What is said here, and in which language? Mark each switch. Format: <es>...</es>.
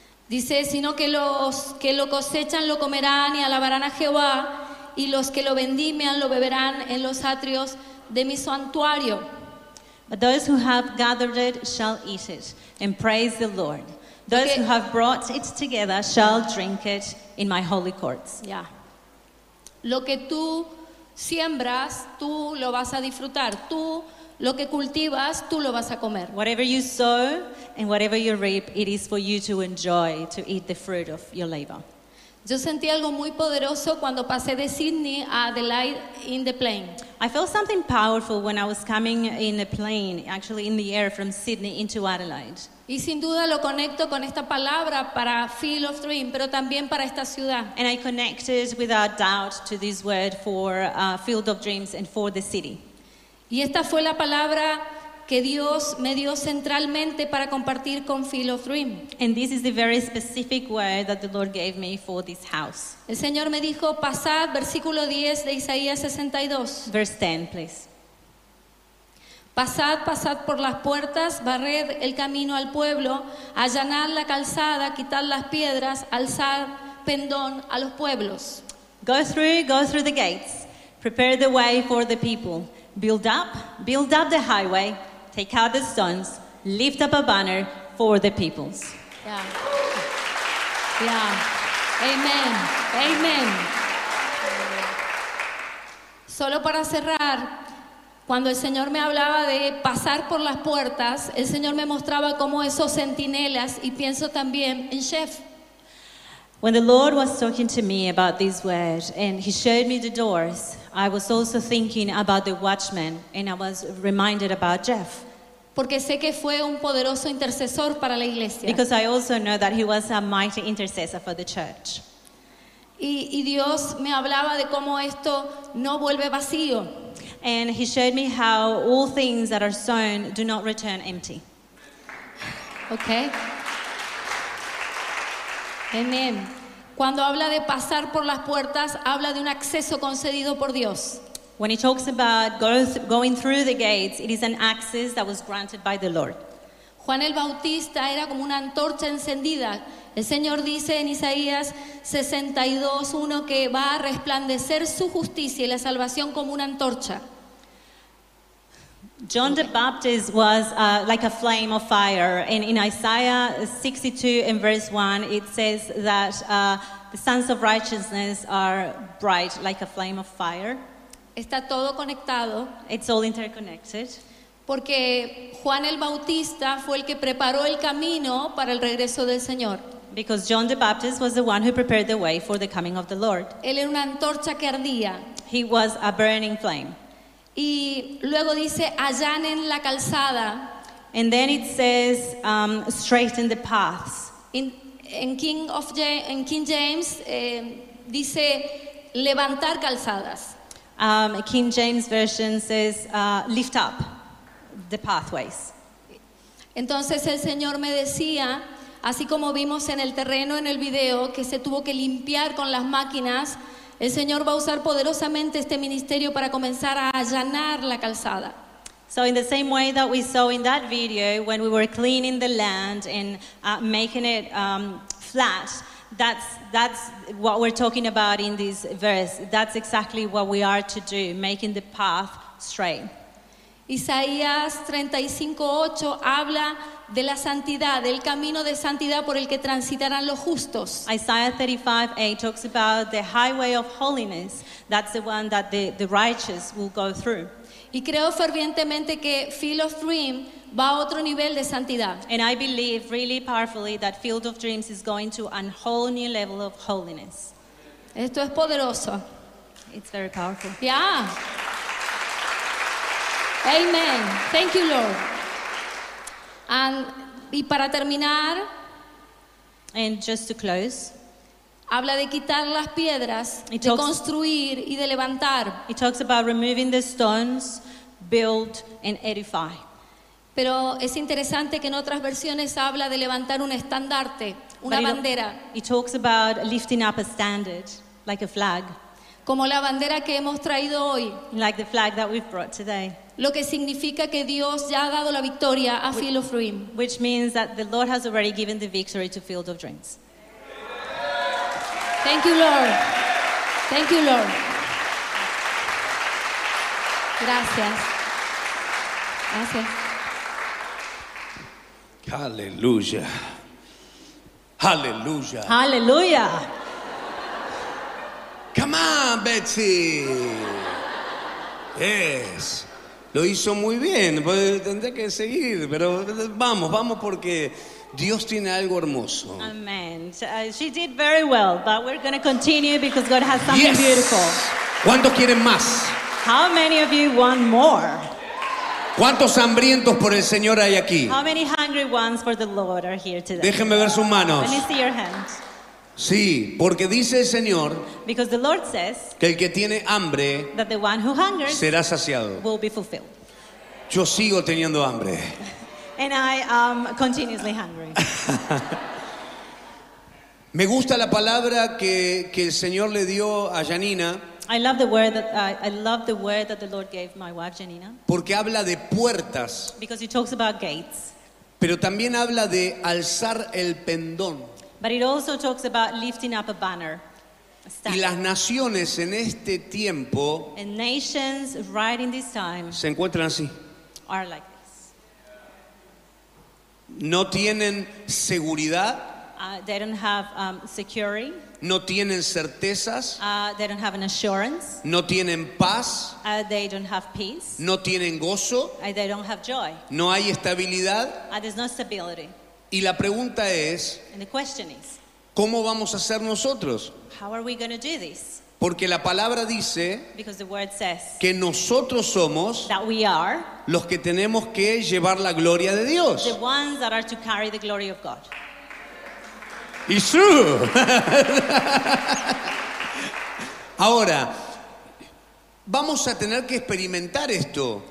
<es>Dice, sino que los que lo cosechan lo comerán y alabarán a Jehová, y los que lo vendimian lo beberán en los atrios de mi santuario.</es> <en>But those who have gathered it shall eat it and praise the Lord. Those okay. who have brought it together shall drink it in my holy courts. Ya. Yeah.</en> <es>Lo que tú siembras, tú lo vas a disfrutar. Tú lo que cultivas, tú lo vas a comer.</es> <en>Whatever you sow and whatever you reap, it is for you to enjoy, to eat the fruit of your labor.</en> <es>Yo sentí algo muy poderoso cuando pasé de Sydney a Adelaide</es> <en>in the plane. I felt something powerful when I was coming in the plane, actually in the air from Sydney into Adelaide.</en> <es>Y sin duda lo conecto con esta palabra para Field of Dream, pero también para esta ciudad.</es> <en>And I connected without doubt to this word for Field of Dreams and for the city.</en> <es>Y esta fue la palabra que Dios me dio centralmente para compartir con Field of Dream.</es> <en>And this is the very specific word that the Lord gave me for this house.</en> <es>El Señor me dijo, pasad, versículo 10 de Isaías 62.</es> <en>Verse 10, please.</en> <es>Pasad, pasad por las puertas, barred el camino al pueblo, allanad la calzada, quitad las piedras, alzad pendón a los pueblos.</es> <en>Go through the gates, prepare the way for the people. Build up the highway, take out the stones, lift up a banner for the peoples. Yeah. Yeah. Amen. Amen.</en> <es>Solo para cerrar, cuando el Señor me hablaba de pasar por las puertas, el Señor me mostraba como esos centinelas, y pienso también en Chef.</es> <en>When the Lord was talking to me about this word and he showed me the doors, I was also thinking about the watchman and I was reminded about Jeff.</en> <es>Porque sé que fue un poderoso intercesor para la iglesia.</es> <en>Because I also know that he was a mighty intercessor for the church.</en> <es>Y Dios me hablaba de cómo esto no vuelve vacío.</es> <en>And he showed me how all things that are sown do not return empty. Okay. Amen.</en> <es>Cuando habla de pasar por las puertas, habla de un acceso concedido por Dios.</es> <en>When he talks about going through the gates, it is an access that was granted by the Lord.</en> <es>Juan el Bautista era como una antorcha encendida. El Señor dice en Isaías 62:1 que va a resplandecer su justicia y la salvación como una antorcha.</es> <en>John the Baptist was like a flame of fire, and in Isaiah 62 and verse 1 it says that the sons of righteousness are bright like a flame of fire.</en> <es>Está todo conectado.</es> <en>It's all interconnected.</en> <es>Porque Juan el Bautista fue el que preparó el camino para el regreso del Señor.</es> <en>Because John the Baptist was the one who prepared the way for the coming of the Lord.</en> <es>Él era una antorcha que ardía.</es> <en>He was a burning flame.</en> <es>Y luego dice, allanen la calzada.</es> <en>And then it says, straighten the paths.</en> <es>In King James, dice, levantar calzadas.</es> <en>King James Version says, lift up the pathways.</en> <es>Entonces el Señor me decía, así como vimos en el terreno en el video, que se tuvo que limpiar con las máquinas, el Señor va a usar poderosamente este ministerio para comenzar a allanar la calzada.</es> <en>So in the same way that we saw in that video, when we were cleaning the land and making it flat, that's what we're talking about in this verse. That's exactly what we are to do, making the path straight.</en> <es>Isaías 35:8 habla de la santidad, del camino de santidad por el que transitarán los justos.</es> <en>Isaiah 35:8 talks about the highway of holiness. That's the one that the righteous will go through.</en> <es>Y creo fervientemente que Field of Dream va a otro nivel de santidad.</es> <en>And I believe really powerfully that Field of Dreams is going to a whole new level of holiness.</en> <es>Esto es poderoso.</es> <en>It's very powerful. Yeah. Amen. Thank you, Lord.</en> <es>Y para terminar,</es> <en>and just to close,</en> <es>habla de quitar las piedras, de construir y de levantar.</es> <en>It talks about removing the stones, build and edify.</en> <es>Pero es interesante que en otras versiones habla de levantar un estandarte, una bandera.</es> <en>It talks about lifting up a standard, like a flag.</en> <es>como la bandera que hemos traído hoy,</es> <en>like the flag that we've brought today.</en> <es>Lo que significa que Dios ya ha dado la victoria a Field of Dreams,</es> <en>which means that the Lord has already given the victory to Field of Dreams. Thank you, Lord. Thank you, Lord.</en> <es>Gracias. Gracias. Hallelujah. Hallelujah. Hallelujah.</es> <en>Come on, Betsy. Yes.</en> <es>Lo hizo muy bien. Tendré que seguir, pero vamos, vamos, porque Dios tiene algo hermoso. Amen.</es> <en>She did very well, but we're going to continue because God has something yes. beautiful.</en> <es>¿Cuántos quieren más?</es> <en>How many of you want more?</en> <es>¿Cuántos hambrientos por el Señor hay aquí?</es> <en>How many hungry ones for the Lord are here today?</en> <es>Déjenme ver sus manos.</es> <en>Let me see your hands.</en> <es>Sí, porque dice el Señor,</es> <en>because the Lord says,</en> <es>que el que tiene hambre,</es> <en>that the one who hungers,</en> <es>será saciado.</es> <en>Will be fulfilled.</en> <es>Yo sigo teniendo hambre.</es> <en>And I am continuously hungry.</en> <es>Me gusta la palabra que el Señor le dio a Janina.</es> <en>I love the word that the Lord gave my wife Janina.</en> <es>Porque habla de puertas.</es> <en>Because it talks about gates.</en> <es>Pero también habla de alzar el pendón.</es> <en>But it also talks about lifting up a banner.</en> <es>Y las naciones en este tiempo,</es> <en>and nations right in this time,</en> <es>se encuentran así.</es> <en>Are like this.</en> <es>No tienen seguridad.</es> <en>They don't have security.</en> <es>No tienen certezas.</es> <en>They don't have an assurance.</en> <es>No tienen paz.</es> <en>They don't have peace.</en> <es>No tienen gozo.</es> <en>They don't have joy.</en> <es>No hay estabilidad.</es> <en>There's no stability.</en> <es>Y la pregunta es,</es> <en>and the question is,</en> <es>¿cómo vamos a hacer nosotros?</es> <en>How are we going to do this?</en> <es>Porque la palabra dice,</es> <en>because the word says,</en> <es>que nosotros somos,</es> <en>that we are,</en> <es>los que tenemos que llevar la gloria de Dios.</es> <en>The ones that are to carry the glory of God. It's true.</en> <es>Ahora, vamos a tener que experimentar esto.</es>